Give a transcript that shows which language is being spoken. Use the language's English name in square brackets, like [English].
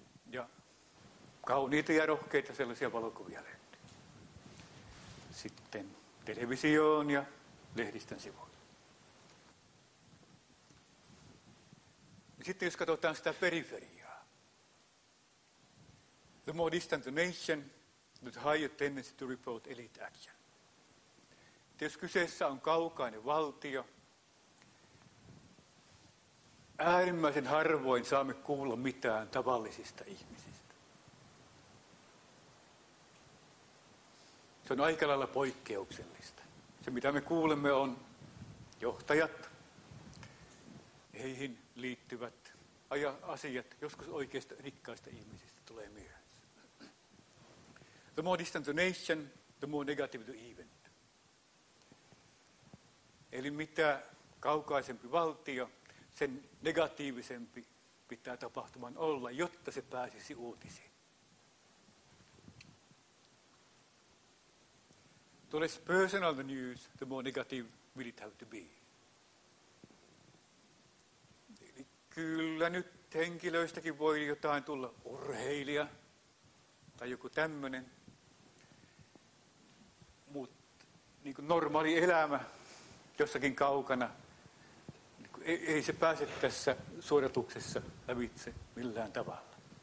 [Finnish] Ja kauniita ja rohkeita sellaisia valokuvia löytyy. Sitten televisioon ja lehdistön sivuille. Sitten jos katsotaan sitä periferiaa. [English] The more distant the nation, the higher tendency to report elite action. [Finnish] Et jos kyseessä on kaukainen valtio, äärimmäisen harvoin saamme kuulla mitään tavallisista ihmisistä. Se on aika lailla poikkeuksellista. Se mitä me kuulemme on johtajat, heihin liittyvät asiat, joskus oikeista rikkaista ihmisistä tulee myöhässä. [English] The more distant the nation, the more negative the event. [Finnish] Eli mitä kaukaisempi valtio, sen negatiivisempi pitää tapahtuman olla, jotta se pääsisi uutisiin. [English] The less personal the news, the more negative will it have to be. [Finnish] Eli kyllä nyt henkilöistäkin voi jotain tulla, urheilija tai joku tämmöinen. Mutta niin kuin normaali elämä jossakin kaukana, ei se pääse tässä suoratuksessa lävitse millään tavalla.